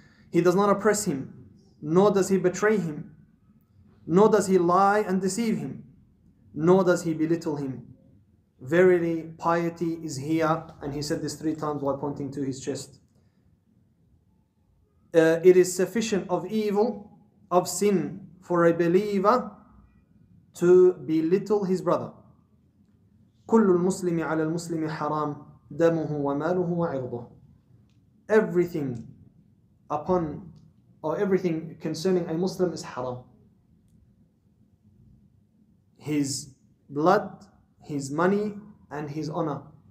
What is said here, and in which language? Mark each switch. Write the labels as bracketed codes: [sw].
[en] He does not oppress him, nor does he betray him, nor does he lie and deceive him, nor does he belittle him. Verily, piety is here. And he said this three times while pointing to his chest. It is sufficient of evil, of sin, for a believer to belittle his brother. [ar] كل المسلم على المسلم حرام. دمه وماله وعرضه. [en] Everything upon, or everything concerning a Muslim is haram. His blood, his money, and his honor.